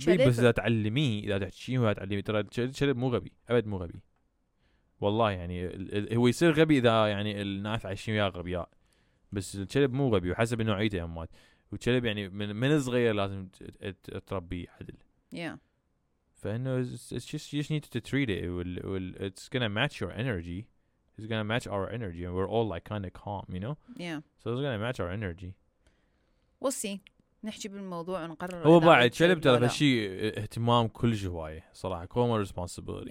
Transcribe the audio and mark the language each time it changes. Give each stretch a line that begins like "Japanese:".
Arabic: شلب بس إذا تعلمي إذا تحكيه وتعلمي ترى شلب مو غبي أبد مو غبي والله يعني هو يصير غبي إذا يعني الناس عايشين وياه غبياء بس الشلب مو غبي وحسب نوعيته أمات والشلب يعني من صغير لازم تربيه عدل
English: yeah. فانه it's just you just need to treat it. It will it's gonna match your energy. It's gonna match our energy, and we're all like kind of calm, you know. Yeah. So it's gonna match our energy. We'll see.
Arabic: نحكي بالموضوع ونقرر. هو بعد شلب ترى هالشيء اهتمام كل جواي صراحة. كوما responsibility.